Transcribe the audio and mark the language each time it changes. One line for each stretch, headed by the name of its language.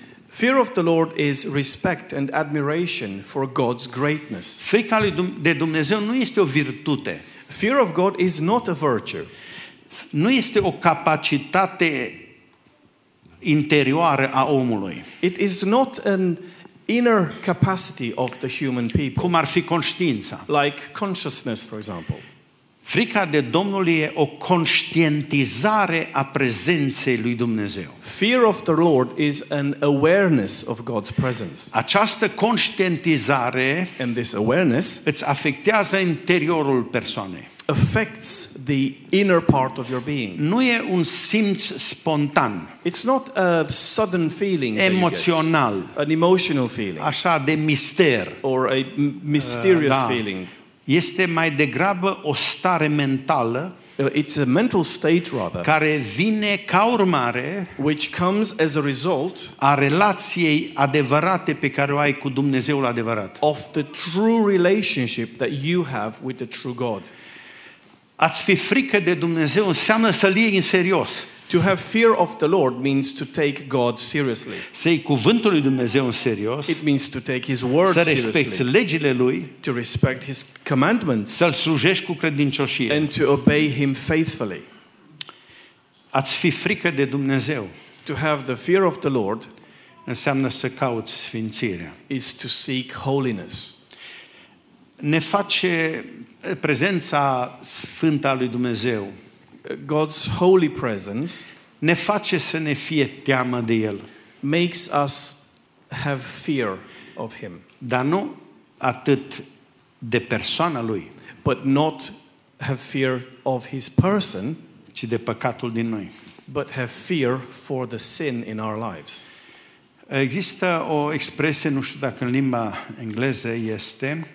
English: Fear of the Lord is respect and admiration for God's greatness.
Romanian: Frica de Dumnezeu nu este o virtute.
English: Fear of God is not a virtue.
Romanian: Nu este o capacitate interioară a omului.
English: It is not an inner capacity of the human people.
Romanian: Cum ar fi conștiința?
English: Like consciousness, for example.
Romanian: Frica de Domnul e o conștientizare a prezenței lui Dumnezeu.
English: Fear of the Lord is an awareness of God's presence.
Romanian: Această conștientizare,
English: and this awareness,
Romanian: îți afectează interiorul persoanei.
English: Affects the inner part of your being.
Romanian: Nu e un simț spontan.
English: It's not a sudden feeling.
Romanian: Emoțional.
English: That you get, an emotional feeling.
Romanian: Așa de mister.
English: Or a mysterious feeling.
Romanian: Este mai degrabă o stare mentală,
English: it's a mental state rather,
Romanian: care vine ca urmare,
English: which comes as a result,
Romanian: a relației adevărate pe care o ai cu Dumnezeul adevărat.
English: Of the true relationship that you have with the true God.
Romanian: Ați fi frică de Dumnezeu înseamnă să-L iei în serios.
English: To have fear of the Lord means to take God seriously.
Romanian: Să iei cuvântul lui Dumnezeu în serios.
English: It means to take His word seriously.
Romanian: Să respecti legile Lui.
English: To respect His commandments.
Romanian: Să-L slujești cu credincioșie.
English: And to obey Him faithfully.
Romanian: Ați fi frică de Dumnezeu.
English: To have the fear of the Lord
Romanian: înseamnă să cauți sfințirea.
English: Is to seek holiness.
Romanian: Ne face prezența sfântă a lui Dumnezeu.
English: God's holy presence
Romanian: ne face să ne fie teamă de el.
English: Makes us have fear of him.
Romanian: Dar nu atât de persoana lui,
English: but not have fear of his person,
Romanian: ci de păcatul din noi.
English: But have fear for the sin in our lives.
Romanian: Există o expresie, nu știu dacă în limba engleză este.